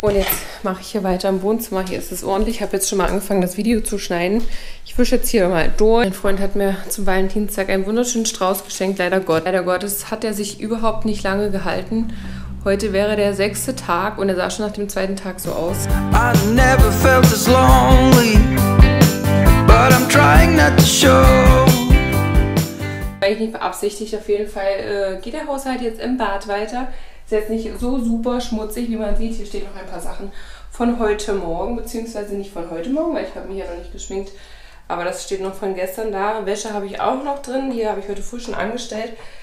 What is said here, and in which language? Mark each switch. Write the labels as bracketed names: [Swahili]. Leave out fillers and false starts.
[German] Und jetzt mache ich hier weiter im Wohnzimmer. Hier ist es ordentlich. Ich habe jetzt schon mal angefangen, das Video zu schneiden. Ich wische jetzt hier mal durch. Mein Freund hat mir zum Valentinstag einen wunderschönen Strauß geschenkt. Leider Gott. Leider Gottes hat er sich überhaupt nicht lange gehalten. Heute wäre der 6. Tag und er sah schon nach dem 2. Tag so aus. [English] I never felt as lonely, but I'm trying not to show. [German] Eigentlich nicht beabsichtigt. Auf jeden Fall geht der Haushalt jetzt im Bad weiter. Ist jetzt nicht so super schmutzig, wie man sieht. Hier stehen noch ein paar Sachen von heute Morgen, beziehungsweise nicht von heute Morgen, weil ich habe mich ja noch nicht geschminkt. Aber das steht noch von gestern da. Wäsche habe ich auch noch drin. Die habe ich heute früh schon angestellt.